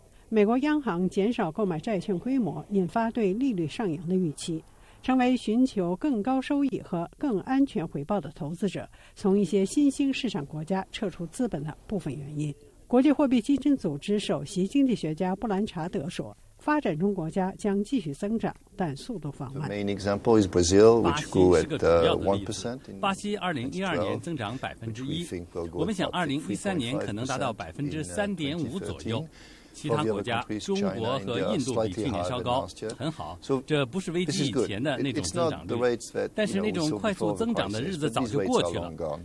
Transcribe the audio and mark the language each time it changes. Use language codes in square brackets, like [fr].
[zh] 美国央行减少购买债券规模，引发对利率上扬的预期，成为寻求更高收益和更安全回报的投资者从一些新兴市场国家撤出资本的部分原因。国际货币基金组织首席经济学家布兰查德说，发展中国家将继续增长，但速度放慢。 [en] The main example is Brazil, which grew at 1%. [zh] 巴西2012年增长1%，我们想2013年可能达到3.5%左右。其他国家，中国和印度比去年稍高，很好。这不是危机以前的那种增长率，但是那种快速增长的日子早就过去了。